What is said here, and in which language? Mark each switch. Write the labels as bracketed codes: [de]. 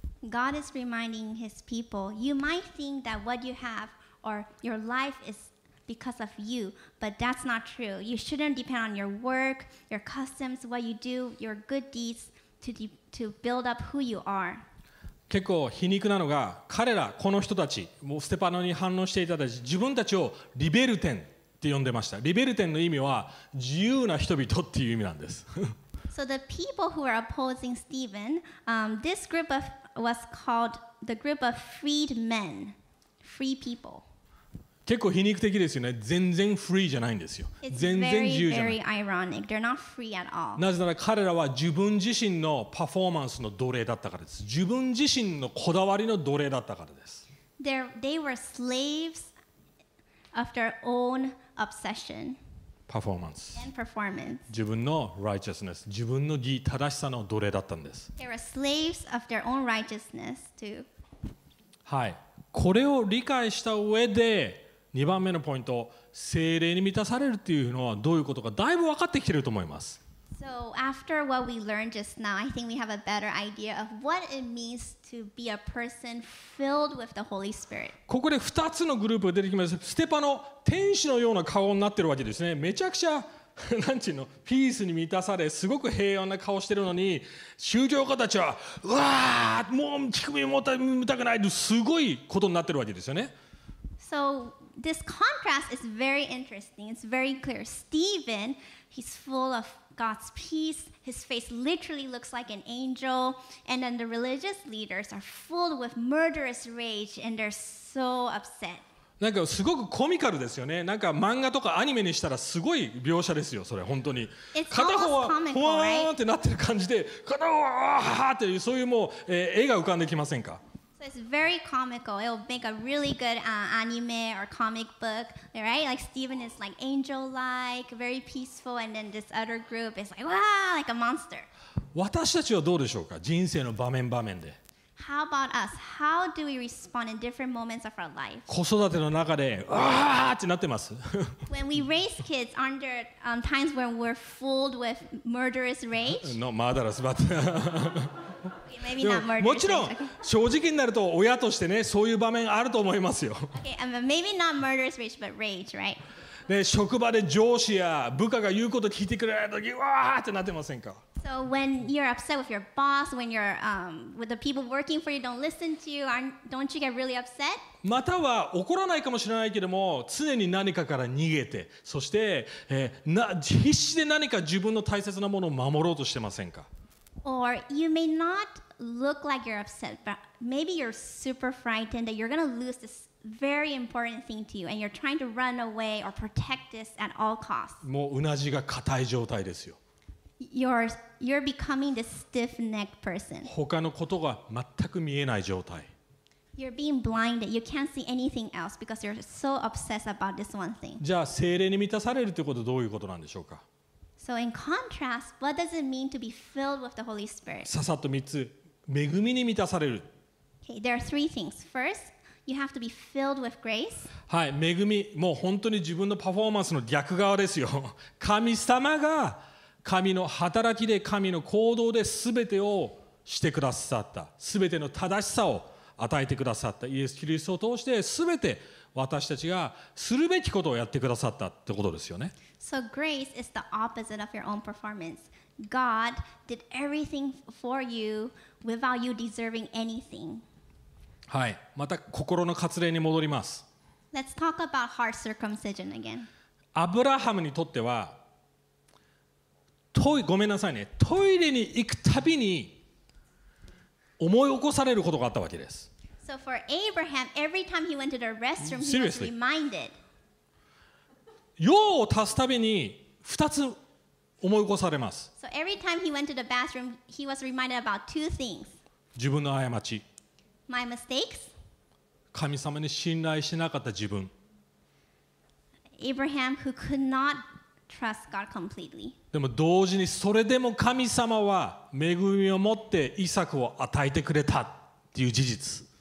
[en] God is reminding his people, you might think that what you have or your life is because of you, but that's not true. You shouldn't depend on your work, your customs, what you do, your good deeds to build up who you are. [ja] 結構皮肉なのが、彼らこの人たち、もうステパノに反応していただいて、自分たちをリベルテンって呼んでました。リベルテンの意味は自由な人々っていう意味なんです。 [en] So the people who are opposing Stephen, this group of was called the group of freed men, free people. [ja] 結構皮肉的ですよね。全然フリーじゃないんですよ。全然自由じゃない。 [en] Very ironic. They're not free at all. [ja] なぜなら彼らは自分自身のパフォーマンスの奴隷だったからです。自分自身のこだわりの奴隷だったからです。 [en] They were slaves of their own obsession. Performance. And performance. [ja] 自分の righteousness、自分の義、正しさの奴隷だったんです。 [en] They were slaves of their own righteousness too. [ja] はい。これを理解した上で2番目のポイント、聖霊に満たされるというのはどういうことか、だいぶ分かってきていると思います。 [en] So after what we learned just now, I think we have a better idea of what it means to be a person filled with the Holy Spirit. [ja] ここで2つのグループが出てきます。ステパノ、天使のような顔になっているわけですね。めちゃくちゃなんていうの、ピースに満たされすごく平穏な顔してるのに、宗教家たちはうわー、もう乳首を持たくないと、すごいことになってるわけですよね。 [en] So this contrast is very interesting. It's very clear. Stephen, he's full of God's peace. His face literally looks like an angel. And then the religious leaders are filled with murderous rage and they're so upset. [ja] なんかすごくコミカルですよね。なんか漫画とかアニメにしたらすごい描写ですよ、それ本当に。片方はホワーンってなってる感じで、片方はワーッっていう、そういうもう、絵が浮かんできませんか。 [en] So it's very comical. It'll make a really good anime or comic book, right? Like Stephen is like angel-like, very peaceful, and then this other group is like, wow, like a monster. [ja] 私たちはどうでしょうか、人生の場面場面で。 [en] How about us? How do we respond in different moments of our life? [ja] 子育ての中でわーってなってます。 [en] When we raise kids, aren't there times when we're filled with murderous rage? No, murderous, but maybe not murderous. [ja] もちろん正直になると親としてね、そういう場面あると思いますよ。 [en] Okay, maybe not murderous rage, but rage, right? [ja] で、職場で上司や部下が言うこと聞いてくれないときわーってなってませんか。 [en] So when you're upset with your boss, when you're with the people working for you don't listen to you, don't you get really upset? [ja] または怒らないかもしれないけども、常に何かから逃げて、そして、必死で何か自分の大切なものを守ろうとしてませんか。 [en] Or you may not look like you're upset, but maybe you're super frightened that you're going to lose this very important thing to you, and you're trying to run away or protect this at all costs. [ja] もううなじが固い状態ですよ。 [en] You're becoming the stiff-necked person. [ja] 他のことが全く見えない状態。 [en] You're being blinded. You can't see anything else because you're so obsessed about this one thing. [ja] じゃあ聖霊に満たされるということはどういうことなんでしょうか。 [en] So in contrast, what does it mean to be filled with the Holy Spirit? [ja] ささっと3つ。恵みに満たされる。 [en] Okay, there are three things. First, you have to be filled with grace. [ja] はい、恵み。もう本当に自分のパフォーマンスの逆側ですよ。神様が神の働きで、神の行動で全てをしてくださった、すべての正しさを与えてくださったイエス・キリストを通して、すべて私たちがするべきことをやってくださったってことですよね。 [en] So grace is the opposite of your own performance. God did everything for you without you deserving anything. [ja] はい、また心の割礼に戻ります。 [en] Let's talk about heart circumcision again. [ja] アブラハムにとっては、ごめんなさいね、トイレに行くたびに思い起こされることがあったわけです。 [en] So for Abraham, every time he went to the restroom, he was reminded. [ja] 用を足すたびに二つ思い起こされます。 [en] So every time he went to the bathroom, he was reminded about two things. [ja] 自分の過ち。 [en] My mistakes. [ja] 神様に信頼しなかった自分。 [en] Abraham who could not trust God completely. [ja] でも同時にそれでも神様は恵みを持ってイサクを与えてくれたっていう事実。